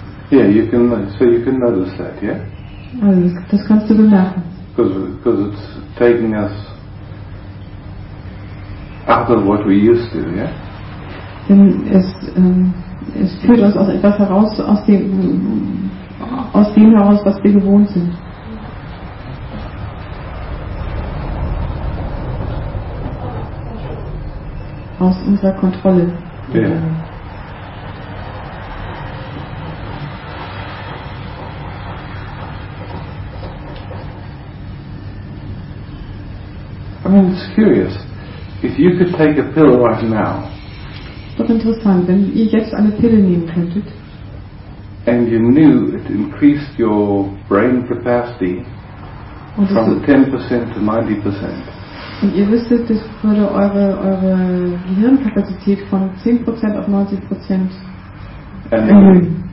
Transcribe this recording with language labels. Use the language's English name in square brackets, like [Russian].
[English] Yeah, you can, so you can notice that, yeah? [German] Also, das kannst du bemerken. [English] Because it's taking us out of what we used to, yeah? [German] Denn es führt uns aus etwas heraus, aus dem heraus, was wir gewohnt sind. Aus unserer Kontrolle. [English] Yeah. I mean, it's curious. If you could take a pill right now. [German] Doch interessant, wenn ihr jetzt eine Pille nehmen könntet. [English] And you knew it increased your brain capacity from 10% to 90%. [German] Und ihr wüsstet, das würde eure Gehirnkapazität von 10% auf 90% erhöhen.